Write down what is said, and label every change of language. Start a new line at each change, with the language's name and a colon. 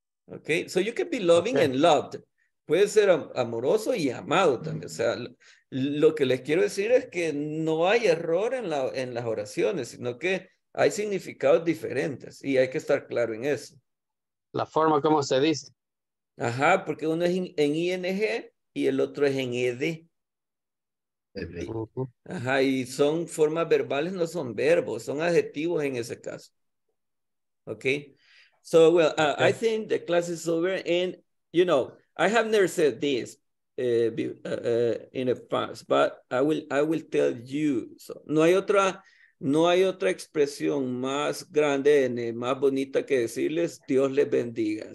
English: Okay, so you can be loving and loved.
Spanish: Puede ser amoroso y amado también. O sea, lo que les quiero decir es que no hay error en las oraciones, sino que hay significados diferentes y hay que estar claro en eso. La forma como se dice. Ajá, porque uno es en ING y el otro es en ED. Ajá, y son formas verbales, no son verbos, son adjetivos en ese caso.
English: Okay. So, well, okay. I think the class is over and, you know, I have never said this in the past, but I will tell you.
Spanish: So, no hay otra expresión más grande ni más bonita que decirles Dios les bendiga.